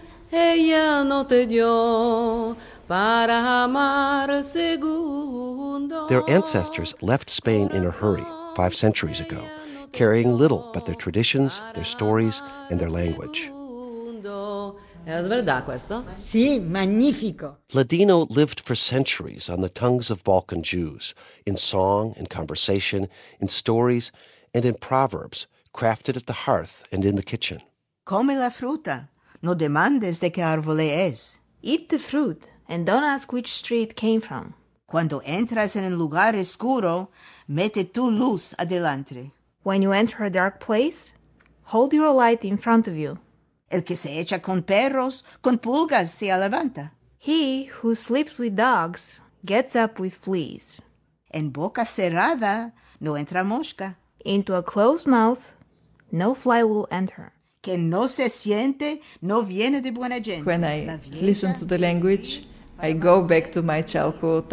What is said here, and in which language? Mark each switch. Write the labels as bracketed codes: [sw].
[en] Their ancestors left Spain in a hurry 5 centuries ago, carrying little but their traditions, their stories, and their language. Ladino lived for centuries on the tongues of Balkan Jews, in song, in conversation, in stories, and in proverbs, crafted at the hearth and in the kitchen. [lad] Come la fruta, no demandes de qué árbol es. [en] Eat the fruit, and don't ask which street came from. [lad] Cuando entras en un lugar oscuro, mete tu luz adelante. [en] When you enter a dark place, hold your light in front of you. [lad] El que se echa con perros, con pulgas se levanta. [en] He who sleeps with dogs, gets up with fleas. [lad] En boca cerrada, no entra mosca. [en] Into a closed mouth, no fly will enter. [lad] Que no se siente, no viene de buena gente. [en] When I listen to the language, I go back to my childhood.